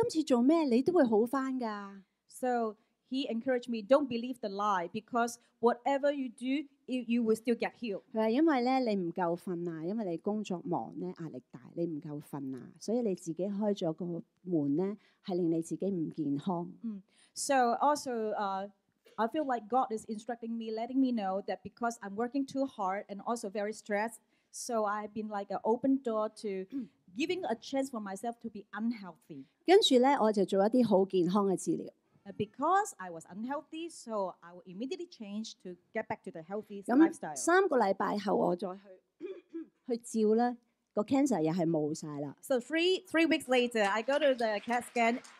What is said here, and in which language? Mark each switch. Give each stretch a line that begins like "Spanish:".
Cantonese: 佢話你唔好俾魔鬼呃你，你今次做咩你都會好翻㗎。
English: So he encouraged me, don't believe the lie, because whatever you do, you will still get healed. So also, I feel like God is instructing me, letting me know that because I'm working too hard and also very stressed, so I've been like an open door to giving a chance for myself to be unhealthy.
Cantonese: 接着呢，我就做一啲好健康嘅治疗。
English: Because I was unhealthy, so I will immediately change to get back to the healthy lifestyle.
Cantonese: 3個禮拜後我再去照咧，個 cancer 又係冇曬啦。
English: So three weeks later, I go to the CAT scan.